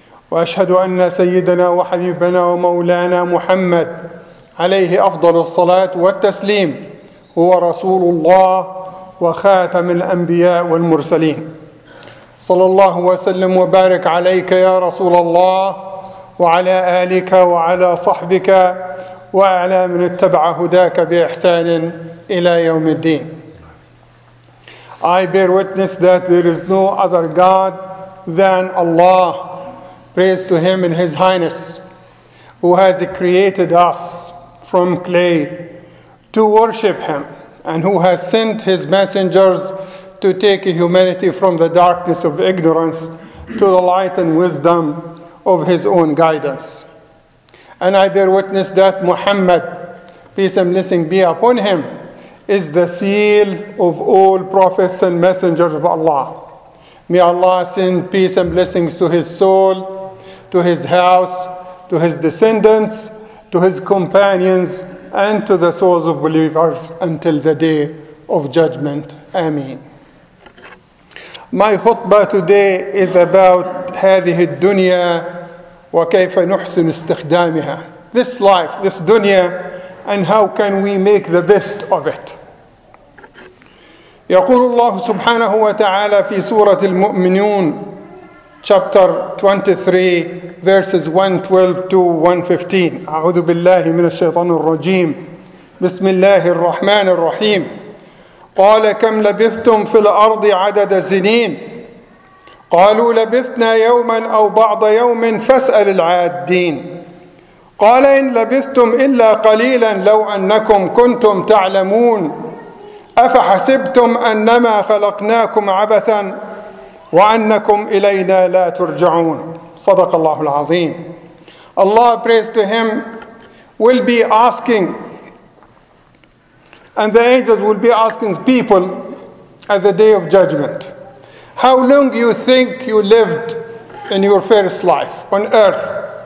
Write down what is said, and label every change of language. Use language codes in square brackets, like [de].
[ar] وأشهد أن سيدنا وحبيبنا ومولانا محمد عليه أفضل الصلاة والتسليم هو رسول الله وخاتم الأنبياء والمرسلين، صلى الله وسلم وبارك عليك يا رسول الله وعلى آلك وعلى صحبك وعلى من اتبع هداك بإحسان إلى يوم الدين. [en] I bear witness that there is no other God than Allah. Praise to Him and His Highness who has created us from clay to worship Him and who has sent his messengers to take humanity from the darkness of ignorance to the light and wisdom of his own guidance. And I bear witness that Muhammad, peace and blessing be upon him, is the seal of all prophets and messengers of Allah. May Allah send peace and blessings to his soul, to his house, to his descendants, to his companions, and to the souls of believers until the day of judgment. Ameen. My khutbah today is about [ar] هذه الدنيا وكيف نحسن استخدامها. [en] This life, this dunya, and how can we make the best of it? [ar] يقول الله سبحانه وتعالى في سورة المؤمنون [en] chapter 23 verses 112 to 115. [ar] أعوذ بالله من الشيطان الرجيم. بسم الله الرحمن الرحيم. قال كم لبثتم في الأرض عدد سنين؟ قالوا لبثنا يوما أو بعض يوم فاسأل العادين. قال إن لبثتم إلا قليلا لو أنكم كنتم تعلمون أفحسبتم أنما خلقناكم عبثا وأنكم إلينا لا ترجعون. صدق الله العظيم. [en] Allah, praise to him, will be asking, and the angels will be asking people at the day of judgment, how long you think you lived in your first life on earth?